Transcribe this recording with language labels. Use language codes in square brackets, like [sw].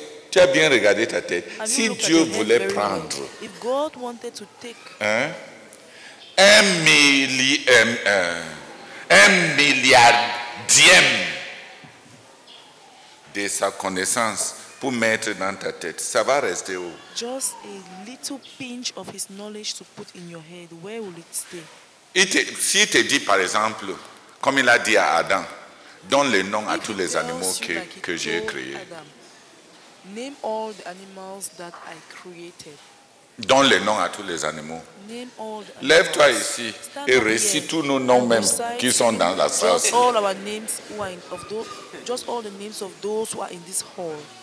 [fr] Tu as bien regardé ta tête. Si Dieu voulait prendre un milliardième de sa connaissance pour mettre dans ta tête, ça va rester où? [en] Just a little pinch of his knowledge to put in your head, where will it stay? [fr] Si il te dit par exemple, comme il a dit à Adam, donne le nom à tous les animaux que j'ai créés. [en] Adam, name all the animals that I created. [fr] Donne le nom à tous les animaux. [en] Name all the animals. [fr] Lève-toi ici et récite tous nos noms même qui sont dans la salle. [en] Just all our names who are in, of those, just all the names of those who are in this hall.